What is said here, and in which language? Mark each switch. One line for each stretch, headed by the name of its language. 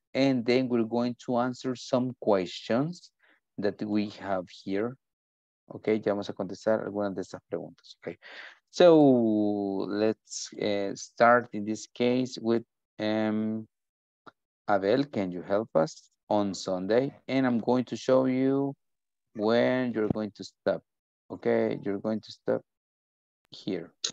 English: And then we're going to answer some questions that we have here.
Spanish: Okay, ya vamos a contestar algunas de estas preguntas.
English: Okay, so let's start in this case with Abel. Can you help us on Sunday? And I'm going to show you when you're going to stop. Okay, you're going to stop here.